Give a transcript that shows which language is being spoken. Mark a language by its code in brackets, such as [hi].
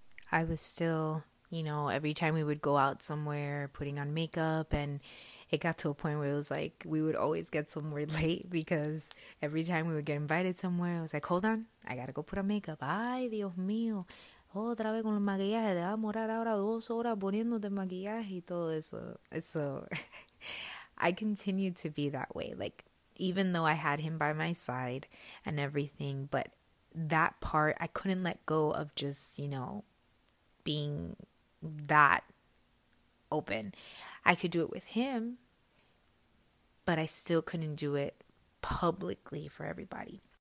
[en] I was still, you know, every time we would go out somewhere, putting on makeup, and it got to a point where it was like we would always get somewhere late, because every time we would get invited somewhere, I was like, hold on, I gotta go put on makeup. [es] Ay, Dios mío, otra vez con el maquillaje, te vas a morar ahora 2 horas poniéndote maquillaje y todo eso. [en] So I continued to be that way, like, even though I had him by my side and everything, but that part, I couldn't let go of just, you know, being that open. I could do it with him, but I still couldn't do it publicly for everybody.